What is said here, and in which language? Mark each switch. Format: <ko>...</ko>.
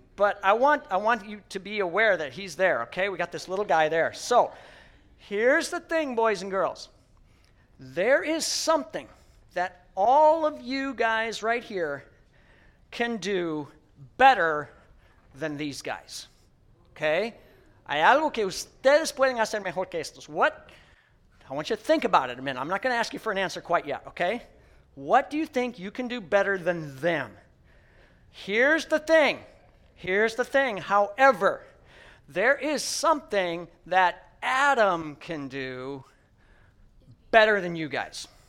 <en>But I want you to be aware that he's there, okay? We got this little guy there. So here's the thing, boys and girls. There is something that all of you guys right here can do better than these guys, okay?</en> <es>Hay algo que ustedes pueden hacer mejor que estos.</es> <en>What? I want you to think about it a minute. I'm not going to ask you for an answer quite yet, okay? What do you think you can do better than them? Here's the thing. However, there is something that Adam can do better than you guys.</en>